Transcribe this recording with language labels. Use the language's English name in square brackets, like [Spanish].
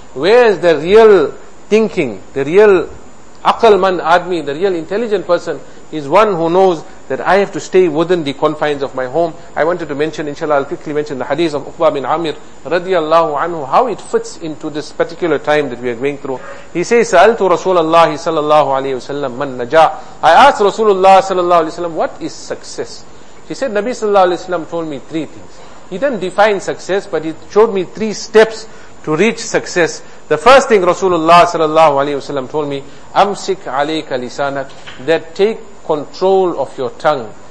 [English] Where is the real thinking, the real [Urdu] aqal man admi, [English] the real intelligent person is one who knows that I have to stay within the confines of my home. I wanted to mention, inshallah, I'll quickly mention the hadith of Uqba bin Amir, radiallahu anhu, how it fits into this particular time that we are going through. He says, [Arabic] سَأَلْتُ رَسُولَ اللَّهِ صَلَى اللَّهُ عَلَيْهِ وَسَلَّمَ مَنْ نَجَىٰ. [English] I asked Rasulullah صلى الله عليه وسلم, what is success? He said, Nabi صلى الله عليه وسلم told me 3 things. He didn't define success, but he showed me 3 steps to reach success. The first thing Rasulullah صلى الله عليه وسلم told me, [Arabic] أَمْسِكْ عَلَيْكَ لِسَانَكَ, [English] that take control of your tongue.